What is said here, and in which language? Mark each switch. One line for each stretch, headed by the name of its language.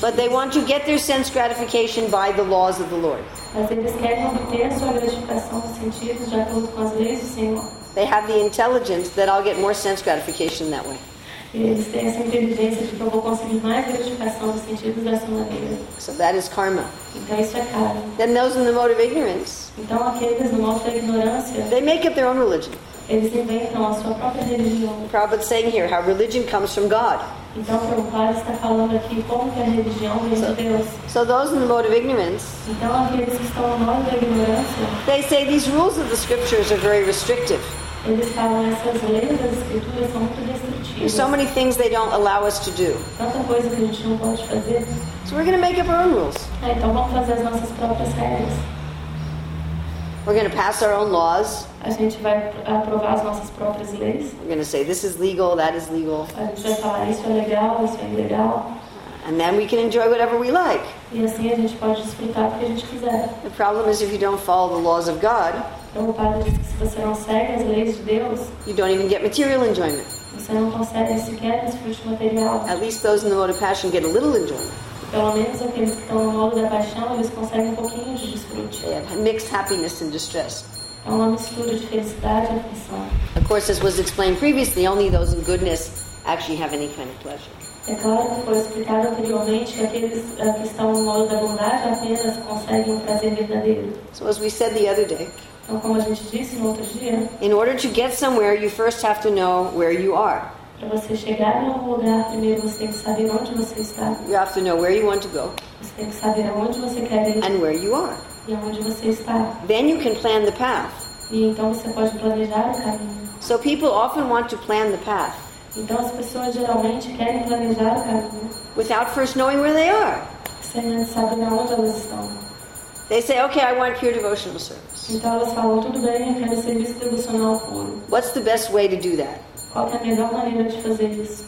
English: But they want to get their sense gratification by the laws of the Lord.
Portuguese: Mas eles querem obter a sua gratificação dos sentidos de acordo com as leis do Senhor.
English: They have the intelligence that I'll get more sense gratification that way.
Portuguese: Eles têm essa inteligência de que eu vou conseguir mais gratificação dos sentidos dessa maneira.
English: So that is karma.
Portuguese: Então isso é karma.
English: Then those in the mode of ignorance.
Portuguese: Então aqueles no modo da ignorância.
English: They make up their own religion.
Portuguese: Eles inventam a sua própria religião.
English: Prabhupada saying here how religion comes from God.
Portuguese: Então, Prabhupada está falando aqui como que a religião vem de Deus.
English: So those in the mode of ignorance.
Portuguese: Então, aqueles que estão no modo da ignorância.
English: They say these rules of the scriptures are very restrictive.
Portuguese: Eles falam essas leis das escrituras são muito restritivas.
English: There's so many things they don't allow us to do.
Portuguese: Tanta coisa que a gente não pode fazer.
English: So we're going to make up our own rules.
Portuguese: Então, vamos fazer as nossas próprias regras.
English: We're going to pass our own laws.
Portuguese: A gente vai aprovar as nossas próprias leis.
English: We're going to say, this is legal, that is legal.
Portuguese: A gente vai falar, isso é legal, isso é ilegal.
English: And then we can enjoy whatever we like.
Portuguese: E assim a gente pode desfrutar o que a gente quiser.
English: The problem is if you don't follow the laws of God,
Portuguese: então, o padre diz que se você não segue as leis de Deus,
English: you don't even get material enjoyment.
Portuguese: Você não consegue sequer desfrute material.
English: At least those in the mode of passion get a little enjoyment.
Portuguese: Pelo menos aqueles que estão no modo da paixão, eles conseguem um pouquinho de desfrute.
English: They have mixed happiness and distress.
Portuguese: É uma mistura de felicidade e aflição.
English: Of course, as was explained previously, only those in goodness actually have any kind of pleasure.
Portuguese: É claro que foi explicado anteriormente que aqueles que estão no modo da bondade apenas conseguem um prazer verdadeiro.
English: So as we said the other day,
Portuguese: então, como a gente disse no outro dia,
English: in order to get somewhere, you first have to know where you are.
Portuguese: Para você chegar em algum lugar, primeiro você tem que saber onde você está.
English: You have to know where you want to go.
Portuguese: Você tem que saber aonde você quer ir.
English: And where you are.
Portuguese: E onde você está.
English: Then you can plan the path.
Portuguese: então você pode planejar o caminho.
English: So people often want to plan the path.
Portuguese: Então as pessoas geralmente querem planejar o caminho.
English: Without first knowing where they are.
Portuguese: Sem saber na onde elas estão.
English: They say, okay, I want pure devotional service.
Portuguese: Então elas falam, tudo bem, eu quero serviço devocional puro.
English: What's the best way to do that?
Portuguese: Qual é a melhor maneira de fazer isso?